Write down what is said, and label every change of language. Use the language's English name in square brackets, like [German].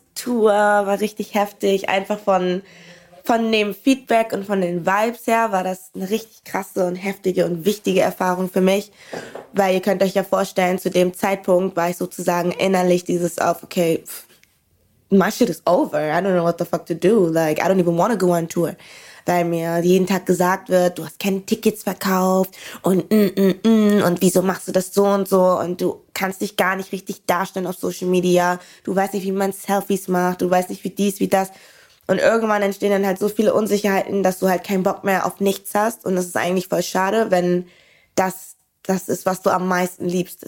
[German] Meine erste Tour war richtig heftig. Einfach von dem Feedback und von den Vibes her war das eine richtig krasse und heftige und wichtige Erfahrung für mich. Weil ihr könnt euch ja vorstellen, zu dem Zeitpunkt war ich sozusagen innerlich dieses auf, okay, pff, [English] my shit is over. I don't know what the fuck to do. Like, I don't even want to go on tour. [German] Weil mir jeden Tag gesagt wird, du hast keine Tickets verkauft und wieso machst du das so und so und du kannst dich gar nicht richtig darstellen auf Social Media, du weißt nicht, wie man Selfies macht, du weißt nicht, wie dies, wie das, und irgendwann entstehen dann halt so viele Unsicherheiten, dass du halt keinen Bock mehr auf nichts hast, und das ist eigentlich voll schade, wenn das ist, was du am meisten liebst.